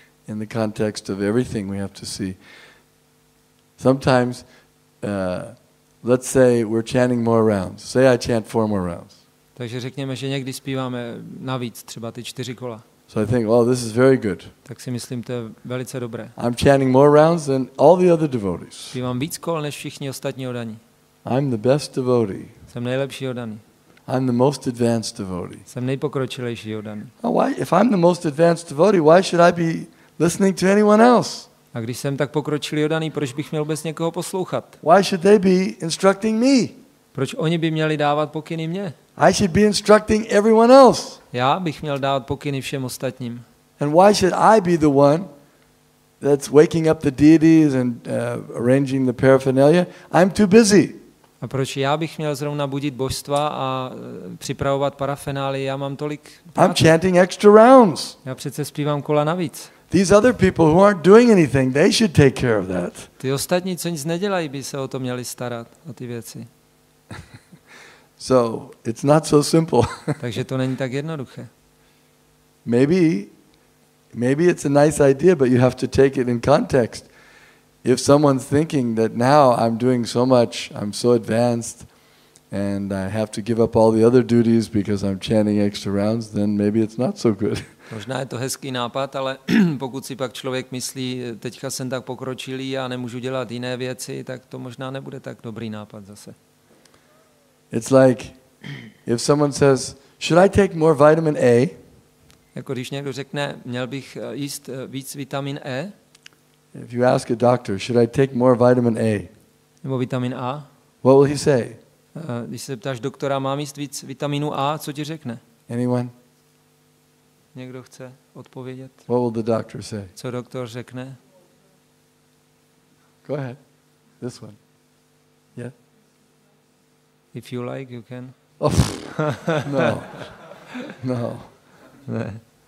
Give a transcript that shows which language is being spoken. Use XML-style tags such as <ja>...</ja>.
<en>In the context of everything we have to see. Sometimes, let's say we're chanting more rounds. Say I chant four more rounds.</en> <cs>Takže řekněme, že někdy zpíváme navíc, třeba ty čtyři kola.</cs> <en>So I think, oh, this is very good.</en> <cs>Tak si myslím, to je velice dobré.</cs> <en>I'm chanting more rounds than all the other devotees.</en> <cs>Zpívám víc kol než všichni ostatní odaní.</cs> <en>I'm the best devotee.</en> <cs>Jsem nejlepší odaný.</cs> <en>I'm the most advanced devotee.</en> <cs>Jsem nejpokročilejší odaný.</cs> <en>Oh, why? If I'm the most advanced devotee, why should I be listening to anyone else?</en> <cs>A když jsem tak pokročilý odaný, proč bych měl bez někoho poslouchat?</cs> <en>Why should they be instructing me?</en> <cs>Proč oni by měli dávat pokyny mě?</cs> <en>I should be instructing everyone else.</en> <cs>Já bych měl dávat pokyny všem ostatním.</cs> <en>And why should I be the one that's waking up the deities and arranging the paraphernalia? I'm too busy.</en> <cs>A proč já bych měl zrovna budit božstva a připravovat parafenály? Já mám tolik práce.</cs> <en>I'm chanting extra rounds.</en> <cs>Já přece zpívám kola navíc.</cs> <en>These other people who aren't doing anything, they should take care of that.</en> <cs>Ty ostatní, co nic nedělají, by se o to měli starat, o ty věci.</cs> <en>So, it's not so simple.</en> <cs>Takže to není tak jednoduché.</cs> <en>Maybe it's a nice idea, but you have to take it in context. If someone's thinking that now I'm doing so much, I'm so advanced, and I have to give up all the other duties because I'm chanting extra rounds, then maybe it's not so good.</en> <cs>Možná je to hezký nápad, ale pokud si pak člověk myslí, teďka jsem tak pokročilý a nemůžu dělat jiné věci, tak to možná nebude tak dobrý nápad zase.</cs> <en>It's like if someone says, should I take more vitamin A?</en> <cs>Jako když někdo řekne, měl bych jíst víc vitamin E?</cs> <en>If you ask a doctor, should I take more vitamin A?</en> <cs>Nebo vitamin A?</cs> <en>What will he say?</en> <cs>Když se ptáš doktora, mám jíst víc vitaminu A, co ti řekne?</cs> <en>Anyone?</en> <cs>Někdo chce odpovědět?</cs> <en>What will the doctor say?</en> <cs>Co doktor řekne?</cs> <en>Go ahead. This one. Yeah. If you like, you can. Oh, no. No.</en> <cs>Ne.</cs>